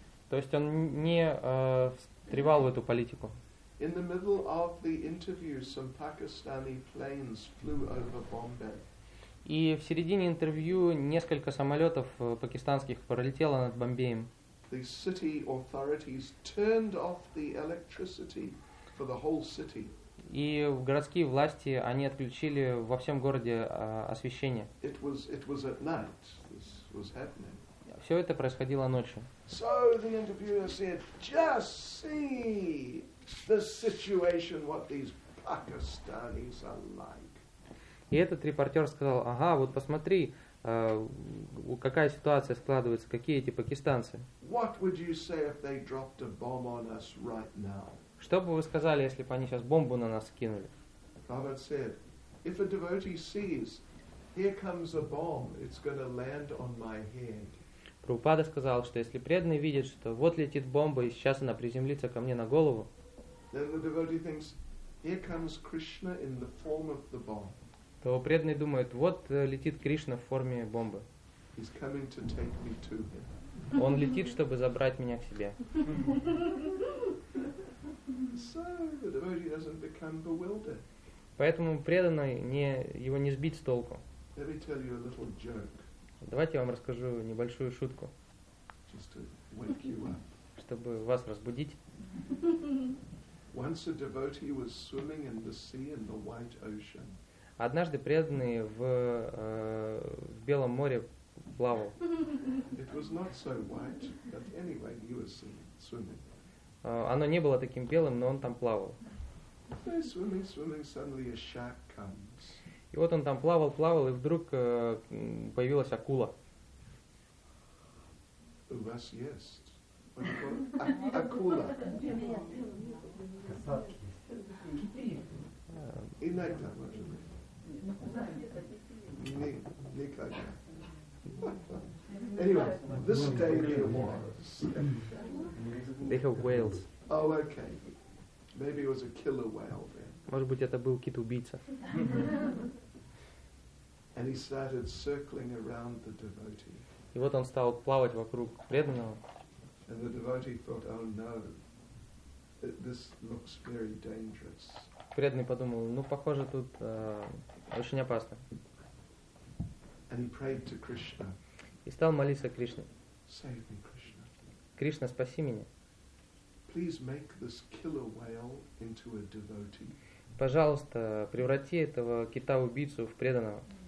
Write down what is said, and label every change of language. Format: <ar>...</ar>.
<ru>То есть он не встревал в эту политику.</ru> <en>In the middle of the interview, some Pakistani planes flew over Bombay.</en> <ru>И в середине интервью несколько самолетов пакистанских пролетело над Бомбеем.</ru> <en>The city authorities turned off the electricity for the whole city.</en> <ru>И городские власти они отключили во всем городе освещение.</ru> <en>It was at night. This was happening.</en> <ru>Все это происходило ночью.</ru> <en>So the interviewer said, "Just see the situation, what these Pakistanis are like."</en> <ru>И этот репортер сказал, ага, вот посмотри, какая ситуация складывается, какие эти пакистанцы.</ru> <en>What would you say if they dropped a bomb on us right now?</en> <ru>Что бы вы сказали, если бы они сейчас бомбу на нас кинули?</ru> <en>Prabhupada said, if a devotee sees, here comes a bomb, it's going to land on my head.</en> <ru>Прабхупада сказал, что если преданный видит, что вот летит бомба, и сейчас она приземлится ко мне на голову,</ru> <en>then the devotee thinks, here comes Krishna in the form of the bomb.</en> <ru>То преданный думает, вот летит Кришна в форме бомбы.</ru> <en>He's coming to take me to him.</en> <ru>Он летит, чтобы забрать меня к себе.</ru> <en>so, the devotee doesn't become bewildered.</en> <ru>Поэтому преданный не его не сбить с толку.</ru> <en>Let me tell you a little joke.</en> <ru>Давайте я вам расскажу небольшую шутку,</ru> <en>just to wake you up.</en> <ru>Чтобы вас разбудить.</ru> <en>Once a devotee was swimming in the sea in the white ocean.</en> <ru>Однажды преданный в Белом море плавал.</ru> <en>It was not so white, but anyway, he was swimming.</en> <ru>Оно не было таким белым, но он там плавал.</ru> <en>Swimming, suddenly a shark comes.</en> <ru>И вот он там плавал, и вдруг появилась акула. Вас есть. Акула. Иногда, может быть. Никогда.</ru> <en>Anyway, this day there was. They have whales. Oh, okay. Maybe it was a killer whale then.</en> <ru>Может быть, это был кит-убийца.</ru> <en>And he started circling around the devotee.</en> <ru>И вот он стал плавать вокруг преданного.</ru> <en>And the devotee thought, oh no, this looks very dangerous.</en> <ru>Преданный подумал, ну похоже тут очень опасно.</ru> <en>And he prayed to Krishna.</en> <ru>И стал молиться Кришне.</ru> <en>Save me, Krishna.</en> <ru>Кришна, спаси меня.</ru> <en>Please make this killer whale into a devotee.</en> <ru>Пожалуйста, преврати этого кита-убийцу в преданного.</ru>